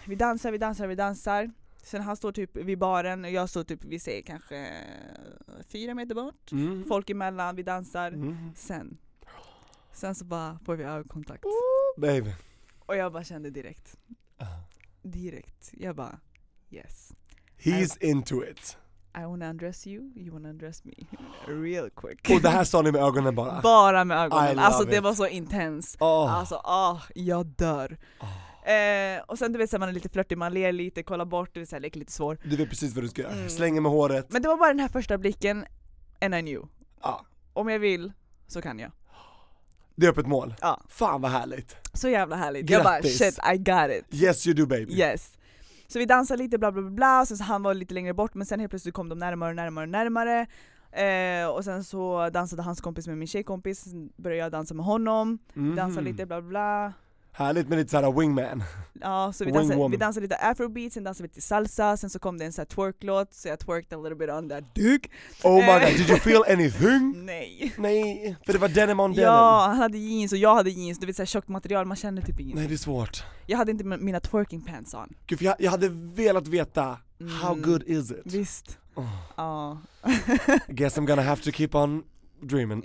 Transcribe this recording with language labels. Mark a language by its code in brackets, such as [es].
[sv] Vi dansar. Sen han står typ vid baren. Och jag står typ, vi ser kanske 4 meter bort. Mm. Folk emellan. Vi dansar. Mm. Sen så bara får vi ögonkontakt. [en] Ooh, baby. [sv] Och jag bara kände direkt. Direkt. Jag bara, yes. [en] He's into it. I wanna undress you, you wanna undress me. Real quick. [sv] Och det här sa ni med ögonen bara? Bara med ögonen. Alltså det var så intens. Jag dör. Och sen du vet, man är lite flörtig, man ler lite, kollar bort, det är lite svår. Du vet precis vad du ska göra. Slänga med håret. Men det var bara den här första blicken, [en] and I knew. [sv] Ja. Om jag vill, så kan jag. Det är öppet mål. Ja. Fan vad härligt. Så jävla härligt. Grattis. Jag bara, [en] shit, I got it. Yes, you do, baby. Yes. [sv] Så vi dansade lite, bla bla bla, bla, sen så han var lite längre bort, men sen helt plötsligt kom de närmare. Och sen så dansade hans kompis med min tjejkompis, sen började jag dansa med honom, dansade lite, bla bla. Härligt med lite såhär wingman. Ja, så vi dansade lite afrobeat, sen dansade vi lite salsa, sen så kom det en såhär twerk-låt, så jag [en] twerked a little bit on that duke. Oh my god, did you feel anything? [sv] Nej. Nej, för det var [en] denim on denim. [sv] Ja, han hade jeans och jag hade jeans, du vet såhär tjockt material, man känner typ ingenting. Nej, det är svårt. Jag hade inte mina [en] twerking pants on. [sv] Gud, för jag hade velat veta, [en] how good is it? [sv] Visst. Ja. Oh. [en] Guess I'm gonna have to keep on dreaming.